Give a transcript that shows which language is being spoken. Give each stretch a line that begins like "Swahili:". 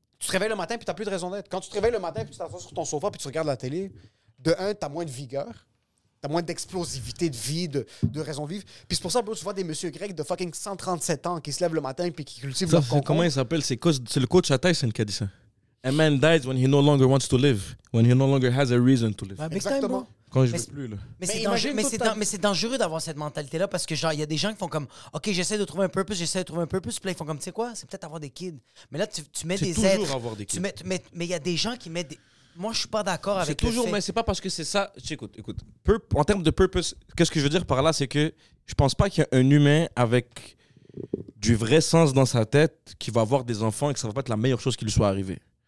French: Tu te réveilles le matin puis tu n'as plus de raison d'être. Quand tu te réveilles le matin puis tu t'assois sur ton sofa puis tu regardes la télé, de un, tu as moins de vigueur, tu as moins d'explosivité de vie, de raison vivre. Puis c'est pour ça que tu vois des monsieur grecs de fucking 137 ans qui se lèvent le matin puis qui cultivent leur concombre. Comment il s'appelle? C'est le coach à Tyson qui a dit ça.
English: A man dies when he no longer wants to live, when he no longer has a reason to live.
French: Bah, exactement. Quand je veux plus, là. Mais c'est dangereux d'avoir cette mentalité-là parce que, genre, il y a des gens qui font comme, OK, j'essaie de trouver un purpose, puis là, ils font comme, tu sais quoi, c'est peut-être avoir des kids. Mais là, tu mets c'est des êtres. C'est toujours avoir des kids. Mais il y a des gens qui mettent. Moi, je suis pas d'accord c'est avec toujours, le fait. Mais c'est pas parce que c'est ça. Écoute. En termes de purpose, qu'est-ce que je veux dire par là, c'est que je pense pas qu'il y a un humain avec du vrai sens dans sa tête qui va avoir des enfants et que ça va pas être la meilleure chose qui lui soit arrivée.